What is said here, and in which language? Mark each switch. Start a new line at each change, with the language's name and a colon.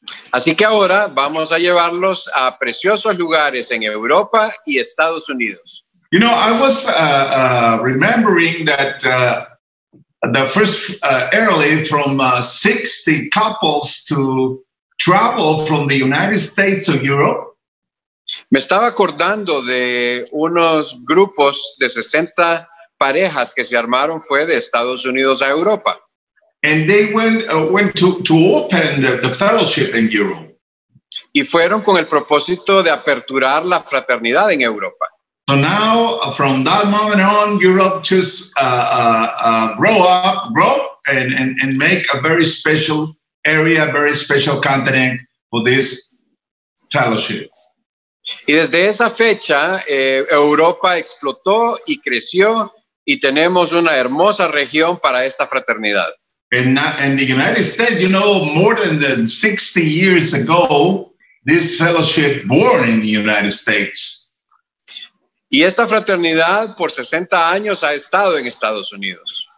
Spanish: Así que ahora vamos a llevarlos a preciosos lugares en Europa y Estados Unidos.
English: You know, I was remembering that the first airlift from 60 couples to travel from the United States to Europe.
Spanish: Me estaba acordando de unos grupos de 60 parejas que se armaron fue de Estados Unidos a Europa.
English: And they went to open the fellowship in Europe.
Spanish: Y fueron con el propósito de aperturar la fraternidad en Europa.
English: So now, from that moment on, Europe just grow and make a very special area, very special continent for this fellowship.
Spanish: Y desde esa fecha, Europa explotó y creció y tenemos una hermosa región para esta fraternidad.
English: And the United States, you know, more than 60 years ago, this fellowship born in the United States.
Spanish: Y esta fraternidad por 60 años ha estado en Estados Unidos.